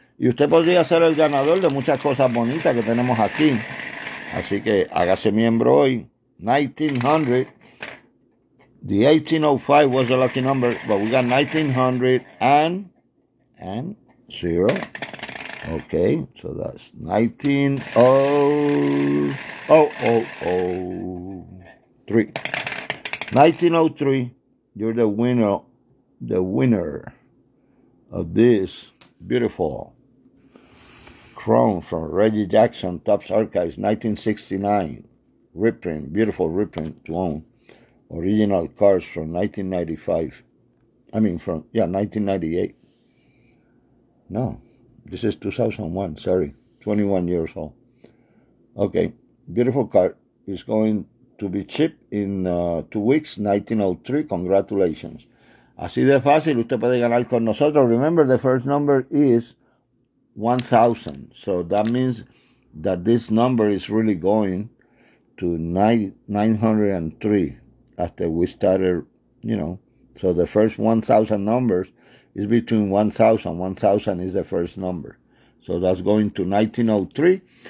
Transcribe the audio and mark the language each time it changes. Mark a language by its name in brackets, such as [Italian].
[Spanish] Y usted podría ser el ganador de muchas cosas bonitas que tenemos aquí. Así que hágase miembro hoy. 1900. [English] The 1805 was the lucky number, but we got 1900 and 0. Okay, so that's 1903. 1903, you're the winner of this beautiful chrome from Reggie Jackson, Topps Archives, 1969. Reprint, beautiful reprint to own. Original cards from 1995. I mean, from, 1998. No, this is 2001, sorry, 21 years old. Okay, beautiful card. It's going to be shipped in 2 weeks, 1903. Congratulations. [Spanish] Así de fácil, usted puede ganar con nosotros. [English] Remember, the first number is 1,000. So that means that this number is really going to 903 after we started, you know. So the first 1,000 numbers, it's between 1,000. 1,000 is the first number. So that's going to 1903.